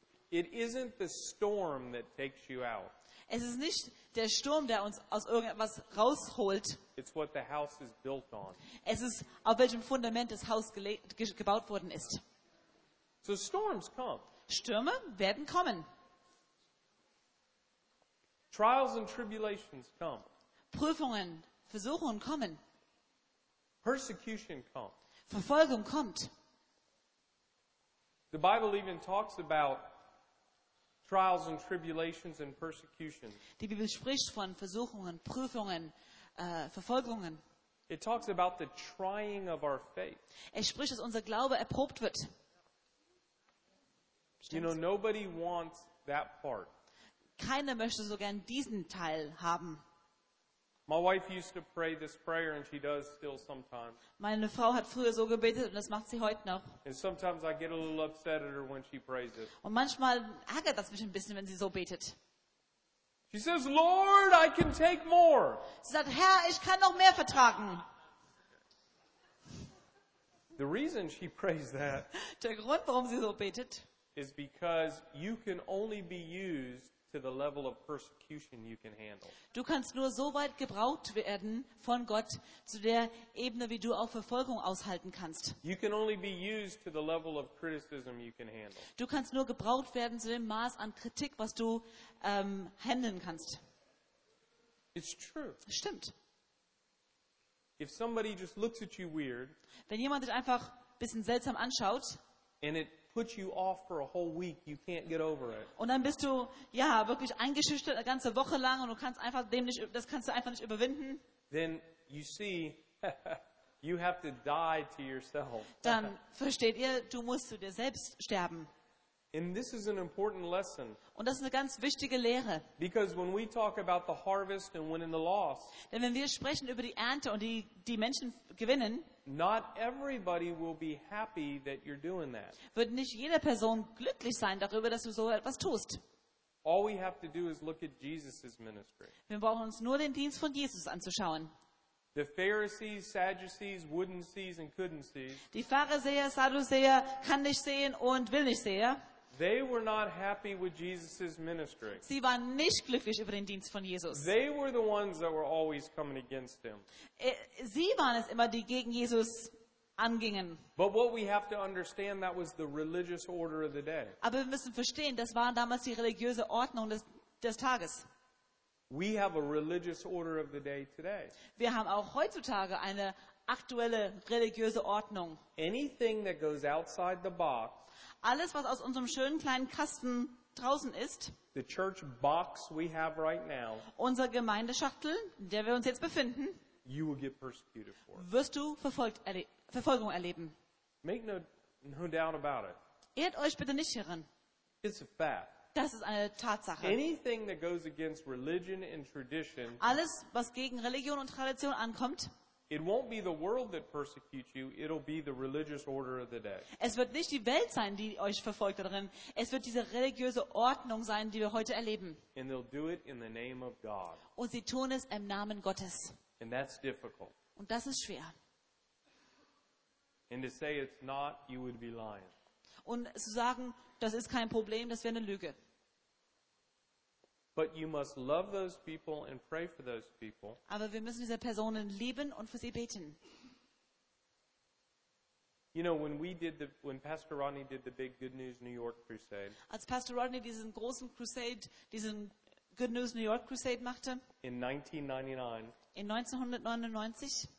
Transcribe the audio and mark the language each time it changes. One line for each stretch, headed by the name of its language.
English: It isn't the storm that takes you out.
German: Es ist nicht der Sturm, der uns aus irgendetwas rausholt.
English: It's what the house is built on.
German: Es ist, auf welchem Fundament das Haus gebaut worden ist.
English: So storms come.
German: Stürme werden kommen.
English: Trials and tribulations come.
German: Prüfungen, Versuchungen kommen.
English: Persecution comes.
German: Verfolgung kommt.
English: The Bible even talks about trials and tribulations and persecution.
German: Die Bibel spricht von Versuchungen, Prüfungen, Verfolgungen.
English: It talks about the trying of our faith.
German: Es spricht, dass unser Glaube erprobt wird. Stimmt's?
English: You know, nobody wants that part.
German: Keiner möchte so gern diesen Teil haben.
English: My wife used to pray this prayer, and she does still sometimes.
German: Meine Frau hat früher so gebetet, und das macht sie heute noch.
English: And sometimes I get a little upset at her when she prays it.
German: Und manchmal ärgert das mich ein bisschen, wenn sie so betet.
English: She says, "Lord, I can take more."
German: Sie sagt, Herr, ich kann noch mehr vertragen.
English: The reason she prays that.
German: Der Grund, warum sie so betet,
English: is because you can only be used to the level of persecution you can handle.
German: Du kannst nur so weit gebraucht werden von Gott zu der Ebene, wie du auch Verfolgung aushalten kannst.
English: You can only be used to the level of criticism you can handle.
German: Du kannst nur gebraucht werden zu dem Maß an Kritik, was du handeln kannst.
English: It's true.
German: Stimmt.
English: If somebody just looks at you weird,
German: wenn jemand dich einfach ein bisschen seltsam anschaut,
English: and it put you off for a whole week, you can't get over it.
German: Und dann bist du ja wirklich eingeschüchtert eine ganze Woche lang und du kannst einfach dem nicht, das kannst du einfach nicht überwinden.
English: Then you see, you have to die to yourself.
German: Dann versteht ihr, du musst zu dir selbst sterben.
English: And this is an important lesson.
German: Und das ist eine ganz wichtige Lehre.
English: Because when we talk about the harvest and winning the loss,
German: denn wenn wir sprechen über die Ernte und die Menschen gewinnen,
English: not everybody will be happy that you're doing that.
German: Wird nicht jede Person glücklich sein darüber, dass du so etwas tust.
English: All we have to do is look at Jesus's ministry.
German: Wir brauchen uns nur den Dienst von Jesus anzuschauen.
English: The Pharisees, Sadducees, wouldn't see and couldn't see.
German: Die Pharisäer, Sadduzäer kann nicht sehen und will nicht sehen.
English: They were not happy with Jesus's ministry.
German: Sie waren nicht glücklich über den Dienst von Jesus.
English: They were the ones that were always coming against him.
German: Sie waren es immer, die gegen Jesus angingen.
English: But what we have to understand, that was the religious order of the day.
German: Aber wir müssen verstehen, das waren damals die religiöse Ordnung des Tages.
English: We have a religious order of the day today.
German: Wir haben auch heutzutage eine aktuelle religiöse Ordnung.
English: Anything that goes outside the box,
German: alles, was aus unserem schönen kleinen Kasten draußen ist,
English: the church box we have right now,
German: unsere Gemeindeschachtel, in der wir uns jetzt befinden,
English: you will get persecuted for.
German: Wirst du Verfolgung erleben.
English: Make no doubt about it.
German: Irrt euch bitte nicht hierin.
English: It's a fact.
German: Das ist eine Tatsache.
English: Anything that goes against religion and tradition,
German: alles, was gegen Religion und Tradition ankommt,
English: it won't be the world that persecutes you, it'll be the religious order of the day.
German: Es wird nicht die Welt sein, die euch verfolgt darin. Es wird diese religiöse Ordnung sein, die wir heute erleben.
English: And they'll do it in the name of God.
German: Und sie tun es im Namen Gottes.
English: And that's difficult.
German: Und das ist schwer.
English: And to say it's not, you would be lying.
German: Und zu sagen, das ist kein Problem, das wäre eine Lüge.
English: But you must love those people and pray for those people.
German: Aber wir müssen diese Personen lieben und für sie beten.
English: You know, when Pastor Rodney did the big Good News New York Crusade.
German: Als Pastor Rodney diesen großen Crusade, diesen Good News New York Crusade machte.
English: In 1999.